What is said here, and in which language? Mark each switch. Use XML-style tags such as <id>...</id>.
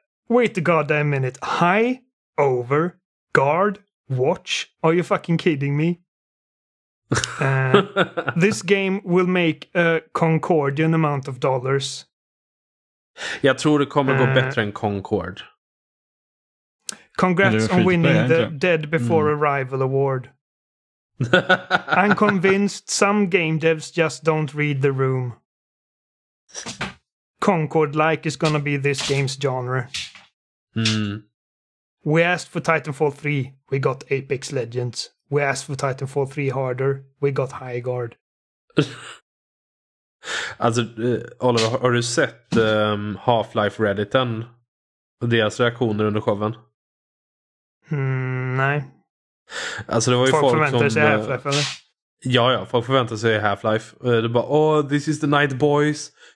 <en>Wait a goddamn minute. High, over, guard, watch. Are you fucking kidding me? this game will make a Concordian amount of dollars.</en> <sv>Jag tror det kommer gå bättre än Concord.</sv> <en>Congrats on winning the Dead Before Arrival award. I'm convinced some game devs just don't read the room. Concord-like is gonna be this game's genre. We asked for Titanfall 3, we got Apex Legends. We asked for Titanfall 3 harder, we got Highguard.</en> <sv>Alltså, Oliver, har du sett Half-Life Redditen och deras reaktioner under showen? Nej. Alltså, det var ju folk förväntade sig Half-Life, eller? Ja, ja, folk förväntade sig Half-Life. Det bara,</sv> <en>oh, this is the night, boys.</en>